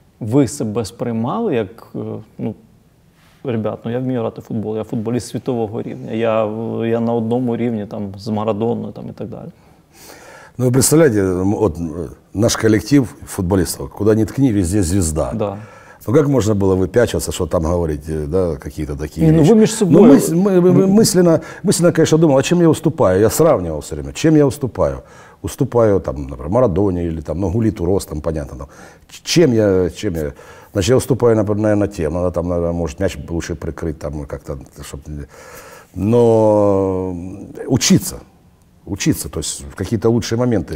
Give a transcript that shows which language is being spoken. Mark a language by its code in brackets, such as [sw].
[uk] ви себе сприймали як, ну, ребят, ну я вмію грати в футбол, я футболіст світового рівня, я на одному рівні там з Марадоною там і так далі. Ну, ви представляєте, от наш колектив футболістів, куди не ткні, [ru] везде звезда. Да. [uk] Ну, як можна було випячуватися, що там говорити, да, [ru] какие-то [uk] такі речі? Ну, ви між собою. Ну, мислено, [ru] конечно, [uk] думав, а чим я уступаю? Я сравнював [ru] все время, [uk] чим я уступаю? Уступаю, там, наприклад, Марадоні, или там, ну, Гуліту Рос, там, понятно, там. Чим я? [ru] Значит, я уступаю, наприклад, наверное, тем, надо там, наверное, может, мяч лучше прикрыть, там, как-то, чтоб... Но учиться, то есть какие-то лучшие моменты.